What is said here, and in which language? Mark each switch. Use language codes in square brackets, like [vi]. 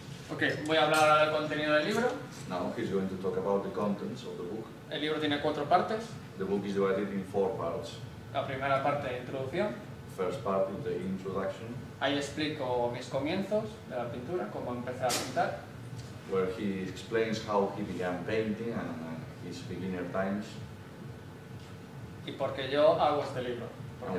[es] Okay, voy a hablar ahora del contenido del libro. [en] Now he's going to talk about the contents of the book. [es] El libro tiene cuatro partes. [en] The book is divided in four parts. [es] La primera parte, introducción. [en] First part is the introduction. [es] Ahí explico mis comienzos de la pintura, cómo empecé a pintar. [en] Where he explains how he began painting and his beginner times. [es] Y por qué yo hago este libro, porque